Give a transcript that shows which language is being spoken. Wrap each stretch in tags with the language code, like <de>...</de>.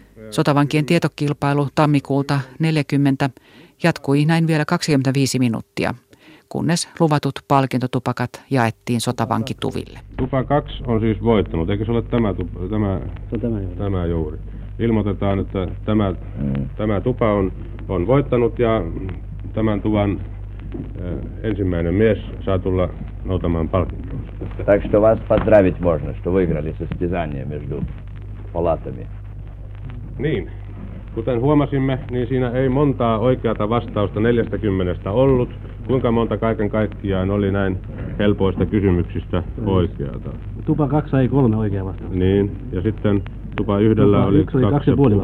<fi>Sotavankien tietokilpailu tammikuulta 40 jatkui näin vielä 25 minuuttia, kunnes luvatut palkintotupakat jaettiin sotavankituville. Tupa 2 on siis voittanut. Eikö se ole tämä juuri? Ilmoitetaan, että tämä tupa on voittanut ja tämän tuvan ensimmäinen mies saa tulla noutamaan palkintoa.</fi> <ru>Так что вас поздравить можно, что выиграли состязание между палатами.</ru> <fi>Niin. Kuten huomasimme, niin siinä ei montaa oikeata vastausta 40 ollut. Kuinka monta kaiken kaikkiaan oli näin helpoista kysymyksistä oikeata? Tupa 2 sai 3 oikeaa vastausta. Niin, ja sitten tupa 1 oli 2,5 vastausta.</fi>